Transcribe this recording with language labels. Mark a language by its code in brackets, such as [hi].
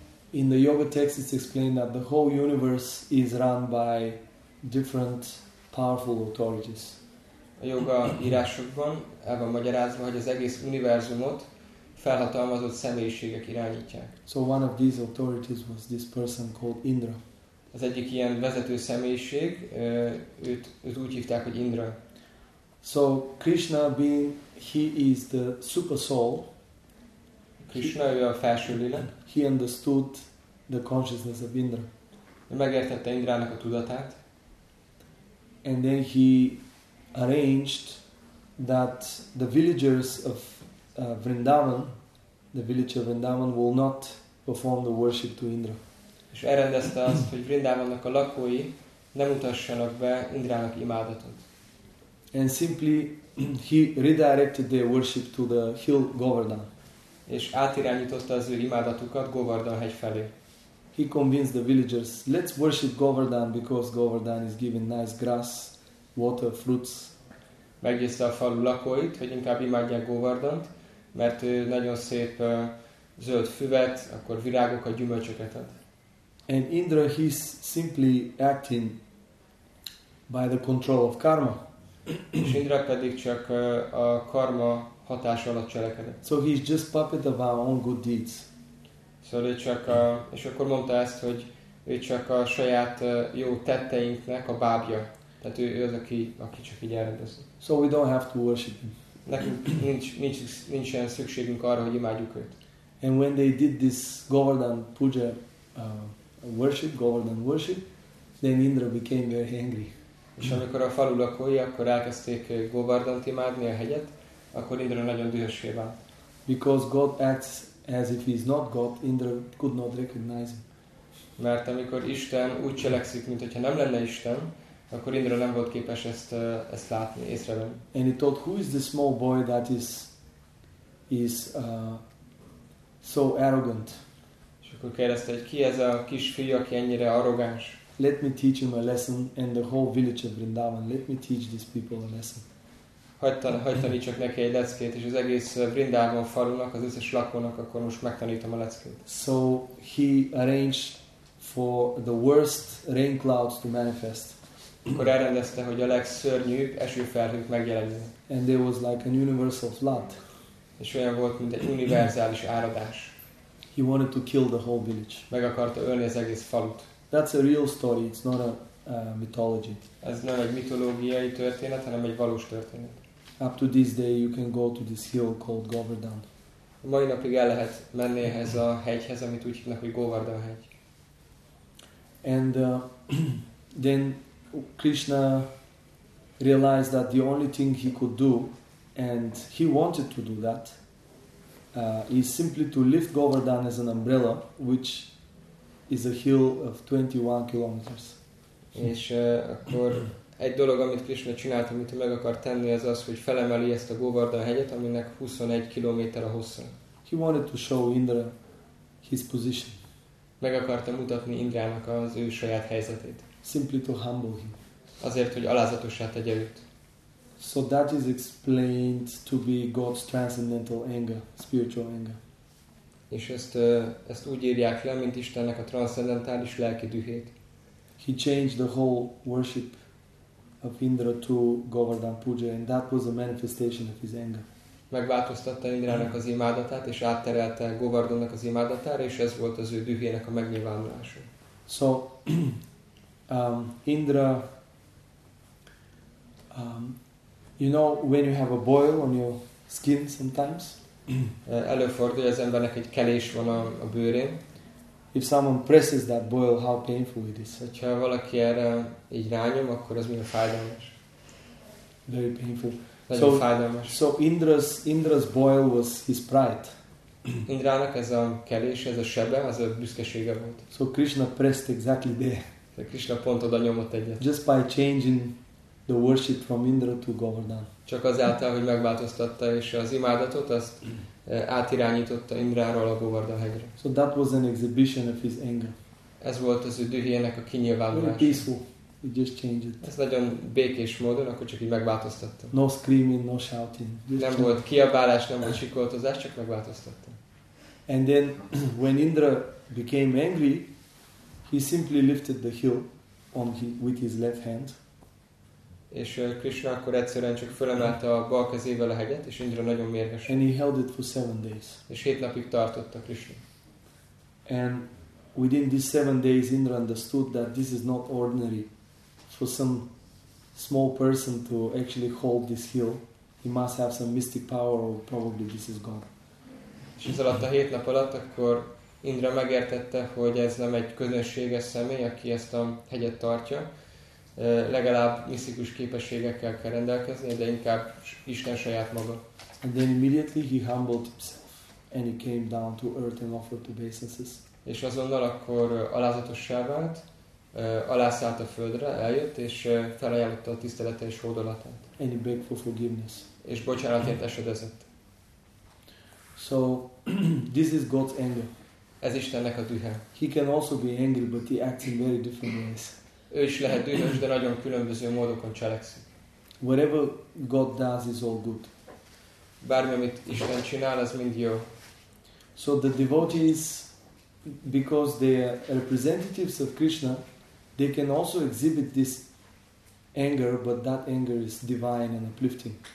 [en] In the yoga text it's explained that the whole universe is run by different powerful authorities. [hu] A yoga írásokban el van magyarázva, hogy az egész univerzumot felhatalmazott személyiségek irányítják. [en] So one of these authorities was this person called Indra. [hu] Az egyik ilyen vezető személyiség, őt úgy hívták, hogy Indra. [en] So Krishna being, he is the super soul. [hu] Krishna, ő a felső lila. [en] He understood the consciousness of Indra. [hu] Megértette Indrának a tudatát. [en] And then he arranged that the villagers of Vrindavan, the village of Vrindavan will not perform the worship to Indra. [hu] És elrendezte azt, hogy Vrindavannak a lakói nem utassanak be Indrának imádatot. [en] And simply he redirected their worship to the hill Govardhan. [hu] És átirányította az ő imádatukat Govardhan hegy felé. [en] He convinced the villagers, let's worship Govardhan because Govardhan is giving nice grass, water, fruits. [hu] Meggyőzte a falu lakóit, hogy inkább imádják Govardhant, mert ő nagyon szép zöld füvet, akkor virágokat, gyümölcsöket ad. [en] And Indra, he's simply acting by the control of karma. [hu] És Indra pedig csak a karma hatás alatt cselekedett. [en] So he's just puppet of our own good deeds. [hu] Szóval ő csak a, és akkor mondta ezt, hogy ő csak a saját jó tetteinknek a bábja. Tehát ő az, aki csak így elrendezi. [en] So we don't have to worship him. [hu] Nekünk nincsen szükségünk arra, hogy imádjuk őt. [en] And when they did this Govardhan puja worship, Govardhan worship, then Indra became very angry. [hu] És amikor a falu lakói, akkor elkezdték Govardhant imádni a hegyet, akkor Indra nagyon dühössé vált. [en] Because God acts as if he is not God, Indra could not recognize him. [hu] Mert amikor Isten úgy cselekszik, mint hogyha nem lenne Isten, akkor Indra nem volt képes ezt látni, észrevenni. [en] And he thought, who is this small boy that is so arrogant? [hu] És akkor kérdezte, hogy ki ez a kis fiú, aki ennyire arrogáns? [en] Let me teach him a lesson and the whole village of Vrindavan, let me teach these people a lesson. [hu] Hagy tanítsak neki egy leckét, és az egész Vrindavan falunak, az összes lakónak, akkor most megtanítom a leckét. [en] So he arranged for the worst rain clouds to manifest. [hu] Akkor elrendezte, hogy a legszörnyűbb esőfelhők megjelenjenek. [en] And there was like an universal flood. [hu] És olyan volt, mint egy univerzális áradás. [en] He wanted to kill the whole village. [hu] Meg akarta ölni az egész falut. [en] That's a real story, it's not a mythology. [hu] Ez nem egy mitológiai történet, hanem egy valós történet. [en] Up to this day you can go to this hill called Govardhan. [hu] Mai napig el lehet menni ehhez a hegyhez, amit úgy hívnak, hogy Govardhan hegy. [en] And then Krishna realized that the only thing he could do, and he wanted to do that, is simply to lift Govardhan as an umbrella, which is a hill of 21 kilometers. [hu] És akkor egy dolog, amit Krishna csinált, amit ő meg akar tenni, az az, hogy felemeli ezt a Govardhan hegyet, aminek 21 kilométer a hossza. [en] He wanted to show Indra his position. [hu] Meg akarta mutatni Indrának az ő saját helyzetét. [en] Simply to humble him. [hu] Azért, hogy alázatossá tegye őt. [en] So that is explained to be God's transcendental anger, spiritual anger. [hu] És ezt úgy írják le, mint Istennek a transzcendentális lelki dühét. [en] He changed the whole worship of Indra to Govardhan Puja, and that was a manifestation of his anger. [hu] Megváltoztatta Indrának az imádatát, és átterelte Govardhannak az imádatára, és ez volt az ő dühének a megnyilvánulása. [en] So, Indra, you know, when you have a boil on your skin sometimes, [hu] előfordul, hogy az embernek egy kelés van a bőrén. [en] If someone presses that boil, how painful it is. [hu] Hogyha valaki erre így rányom, akkor az milyen fájdalmas. [en] Very painful. [hu] Nagyon fájdalmas. [en] So Indra's boil was his pride. [hu] Indrának ez a kelés, ez a sebe, az a büszkesége volt. [en] So Krishna pressed exactly there. [hu] De Krishna pont oda nyomott egyet. [en] Just by changing the worship from Indra to Govardhan. [hu] Csak azáltal, hogy megváltoztatta és az imádatot, azt átirányította Indráról a Govardhan-hegyre. [en] So that was an exhibition of his anger. [hu] Ez volt az ő dühének a kinyilvánulása. [en] Very peaceful. He just changed it. [hu] Ez nagyon békés módon, akkor csak így megváltoztatta. [en] No screaming, no shouting. Just [hu] nem volt kiabálás, nem volt sikoltozás, csak megváltoztatta. [en] And then, when Indra became angry, he simply lifted the heel with his left hand. [hu] És Krishna akkor egyszerűen csak fölemelte a bal kezével a hegyet, és Indra nagyon mérges. [en] And he held it for 7 days. [hu] És 7 napig tartotta Krishna. [en] And within these 7 days, Indra understood that this is not ordinary for some small person to actually hold this heel. He must have some mystic power, or probably this is God. [hu] És ez alatt a 7 nap alatt, akkor Indra megértette, hogy ez nem egy közönséges személy, aki ezt a hegyet tartja. Legalább misztikus képességekkel kell rendelkezni, de inkább Isten saját maga. [en] And then immediately he humbled himself, and he came down to earth and offered obeisances. [hu] És azonnal akkor alázatossá vált, alászállt a földre, eljött, és felajánlotta a tisztelete és hódolatát. [en] And he begged for forgiveness. [hu] És bocsánatért esedezett. [en] So, this is God's anger. [hu] Ez Istennek a dühe. [en] He can also be angry, but he acts in very different ways. [hu] Ő is lehet dühös, de nagyon különböző módokon cselekszik. [en] Whatever God does is all good. [hu] Bármi, amit Isten csinál, az mind jó. [en] So the devotees, because they are representatives of Krishna, they can also exhibit this anger, but that anger is divine and uplifting.